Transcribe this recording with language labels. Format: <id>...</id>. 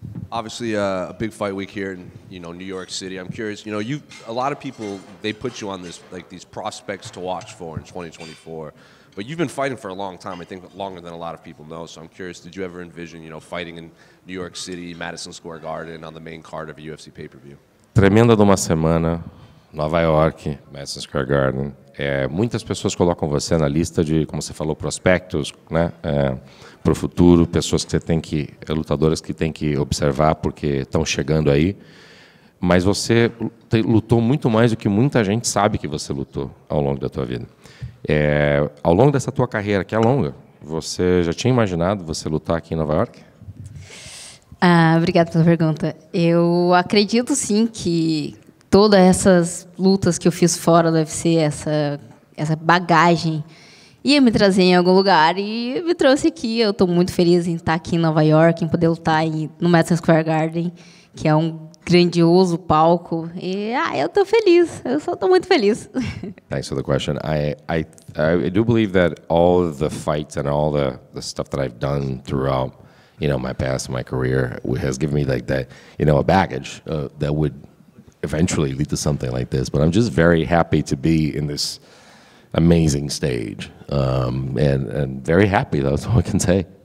<en>obviously a big fight week here in, you know, New York City. I'm curious, you know, you, a lot of people, they put you on this, like, these prospects to watch for in 2024, but you've been fighting for a long time, I think longer than a lot of people know. So I'm curious, did you ever envision, you know, fighting in New York City, Madison Square Garden, on the main card of a UFC pay-per-view?</en> <pt>Tremenda de uma semana, Nova York, Madison Square Garden. É, muitas pessoas colocam você na lista de, como você falou, prospectos, né? É, para o futuro, pessoas que você tem que, lutadoras que tem que observar, porque estão chegando aí. Mas você lutou muito mais do que muita gente sabe que você lutou ao longo da tua vida. É, ao longo dessa tua carreira, que é longa, você já tinha imaginado você lutar aqui em Nova York? Obrigada pela pergunta. Eu acredito, sim, que todas essas lutas que eu fiz fora do UFC, essa bagagem, ia me trazer em algum lugar e me trouxe aqui. Eu estou muito feliz em estar aqui em Nova York, em poder lutar no Madison Square Garden, que é um grandioso palco. E eu estou feliz. Eu só estou muito feliz.</pt> <en>Thanks for the question. I do believe that all of the fights and all the stuff that I've done throughout, you know, my past, my career, has given me like that, you know, a baggage that would eventually lead to something like this. But I'm just very happy to be in this amazing stage, and very happy, that's all I can say.</en>